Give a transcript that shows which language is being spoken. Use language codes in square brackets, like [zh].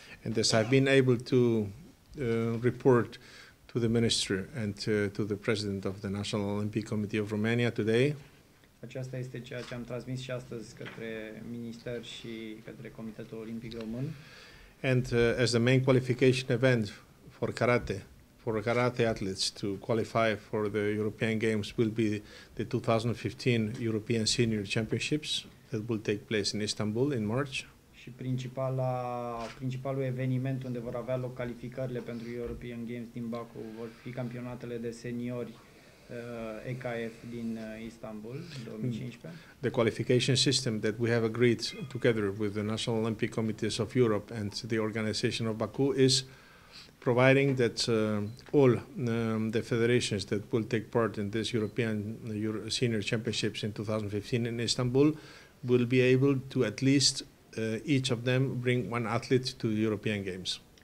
[en] And as I've been able to report to the minister and to the president of the National Olympic Committee of Romania today. [ro] Aceasta este ceea ce am transmis și astăzi către minister și către Comitetul Olimpic Român. [en] And as the main qualification event for karate athletes to qualify for the European Games will be the 2015 European Senior Championships that will take place in Istanbul in March. [ro] Și principalul eveniment unde vor avea loc calificările pentru European Games din Baku vor fi campionatele de seniori EKF din Istanbul 2015. [en] The qualification system that we have agreed together with the National Olympic Committees of Europe and the organization of Baku is providing that all the federations that will take part in this European Senior Championships in 2015 in Istanbul will be able to at least each of them bring one athlete to the European Games.